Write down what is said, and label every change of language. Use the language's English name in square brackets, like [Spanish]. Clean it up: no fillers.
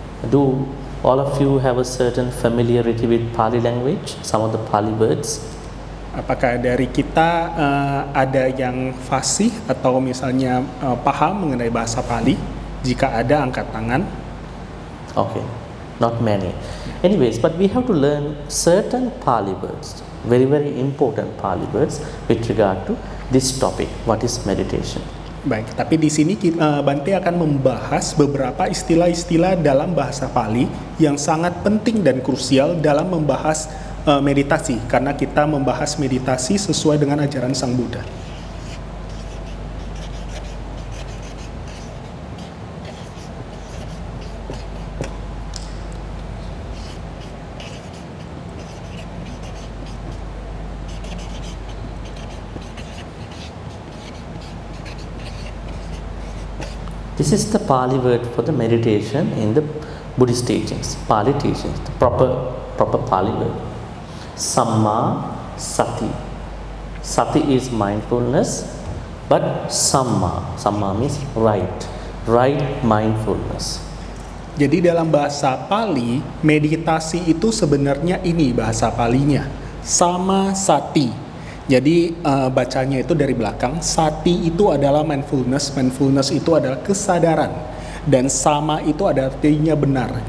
[English] Do all of you have a certain familiarity with Pali language, some of the Pali words? [Indonesian] Apakah dari kita ada yang fasih atau misalnya paham mengenai bahasa Pali? Jika ada, angkat tangan. [English] Okay, not many. Anyways, but we have to learn certain Pali words, very very important Pali words with regard to this topic, what is meditation. [Indonesian] Baik, tapi di sini Bante akan membahas beberapa istilah-istilah dalam bahasa Pali yang sangat penting dan krusial dalam membahas meditasi, karena kita membahas meditasi sesuai dengan ajaran Sang Buddha. [English] This is the Pali word for the meditation in the Buddhist teachings, Pali teachings, the proper Pali word. Samma sati. Sati is mindfulness, but samma means right mindfulness. [Indonesian] Jadi dalam bahasa Pali, meditasi itu sebenarnya ini bahasa Palinya, samma sati. Jadi bacanya itu dari belakang, sati itu adalah mindfulness itu adalah kesadaran, dan sama itu artinya benar.